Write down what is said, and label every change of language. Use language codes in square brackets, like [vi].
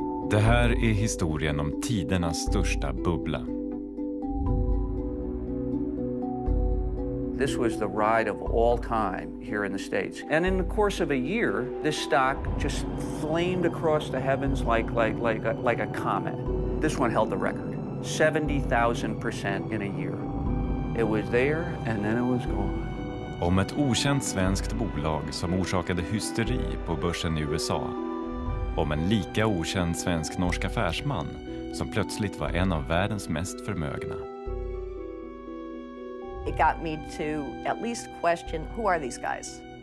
[sv] Det här är historien om tidernas största bubbla. [en] This was the ride of all time here in the States. And in the course of a year, this stock just flamed across the heavens like a comet. This one held the record. 70,000% in a year. It was there and then it was gone. [sv] Om ett okänt svenskt bolag som orsakade hysteri på börsen i USA. Om en lika okänd svensk-norsk affärsman som plötsligt var en av världens mest förmögna. [en] It got me to at least question, who are these guys?